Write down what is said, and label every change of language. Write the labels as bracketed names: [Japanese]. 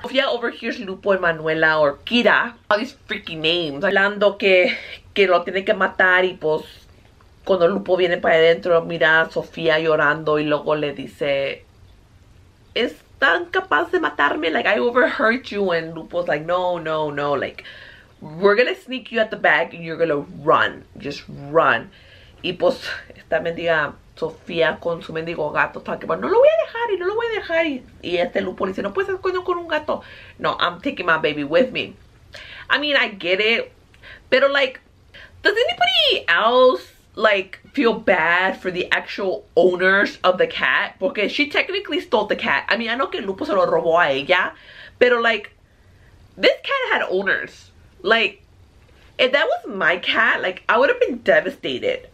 [English] Sofía overhears [Spanish] Lupo y Manuela, [English] or Kira, all these freaking names, [Spanish] hablando que lo tiene que matar y pues, cuando Lupo viene para adentro, mira a Sofía llorando y luego le dice, ¿es tan capaz de matarme? [English] Like, I overheard you. And Lupo's like, no, no, no. Like, we're gonna sneak you at the back and you're gonna run. Just run. [Spanish] Y pues, esta mendiga Sofía con su mendigo gato está que, no lo voy a dejar y no lo voy a dejar. Y este Lupo le dice, no puedes hacer con un gato. [English] No, I'm taking my baby with me. I mean, I get it. Pero, like, does anybody else, like, feel bad for the actual owners of the cat? Porque she technically stole the cat. I mean, I know [Spanish] que Lupo se lo robó a ella. [English] Pero, like, this cat had owners. Like, if that was my cat, like, I would have been devastated.